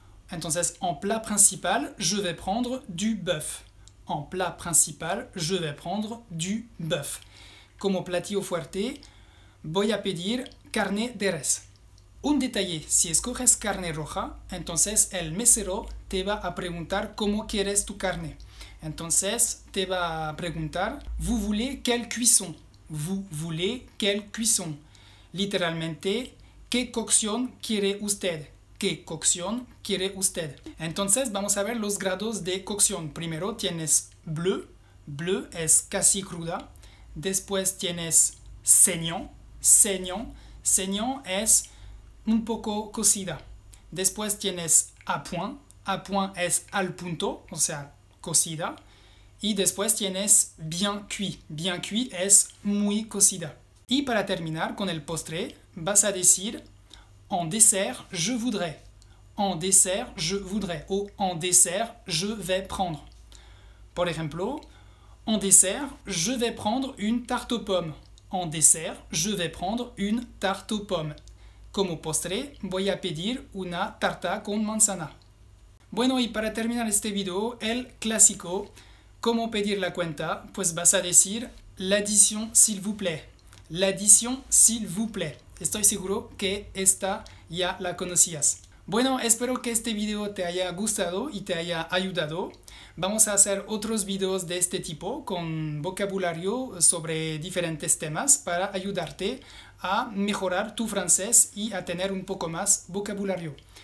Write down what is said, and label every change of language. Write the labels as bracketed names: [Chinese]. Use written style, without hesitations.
[Spanish] Entonces [French] en plat principal, je vais prendre du bœuf. En plat principal, je vais prendre du bœuf. [Spanish] Como platillo fuerte, voy a pedir carne de res. Un detalle, si escoges carne roja, entonces el mesero te va a preguntar cómo quieres tu carne. Entonces, te va a preguntar, [French] ¿vous voulez quelle cuisson? ¿Vous voulez quelle cuisson? [Spanish] Literalmente, ¿qué cocción quiere usted? ¿Qué cocción quiere usted? Entonces, vamos a ver los grados de cocción. Primero tienes bleu. Bleu es casi cruda. Después tienes saignant. Saignant. Saignant es un poco cocida. Después tienes a point. A point es al punto, o sea, cocida. Y después tienes bien cuit. Bien cuit es muy cocida. Y para terminar con el postre, vas a decir [French] en dessert, je voudrais. En dessert, je voudrais. [Spanish] O [French] en dessert, je vais prendre. [Spanish] Por ejemplo, [French] en dessert, je vais prendre une tarte aux pommes. En dessert, je vais prendre une tarte aux pommes. [Spanish] Como postre, voy a pedir una tarta con manzana. Bueno, y para terminar este video, el clásico, ¿cómo pedir la cuenta? Pues vas a decir [French] l'addition, s'il vous plaît. L'addition, s'il vous plaît. [Spanish] Estoy seguro que esta ya la conocías. Bueno, espero que este video te haya gustado y te haya ayudado. Vamos a hacer otros videos de este tipo con vocabulario sobre diferentes temas para ayudarte a mejorar tu francés y a tener un poco más vocabulario.